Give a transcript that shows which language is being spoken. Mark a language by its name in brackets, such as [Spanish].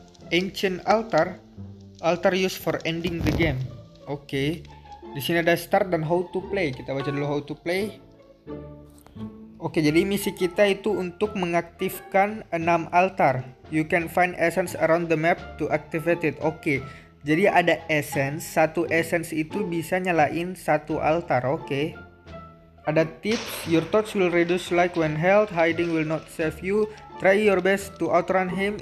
[English] Ancient altar, altar used for ending the game. [Indonesian] Oke, di sini ada start dan [English] how to play. [Indonesian] Kita baca dulu [English] how to play. [Indonesian] Oke, jadi misi kita itu untuk mengaktifkan 6 altar. [English] You can find essence around the map to activate it. [Indonesian] Oke, jadi ada essence. Satu essence itu bisa nyalain satu altar. Oke. Ada tips. [English] Your torch will reduce light when held. Hiding will not save you. Try your best to outrun him.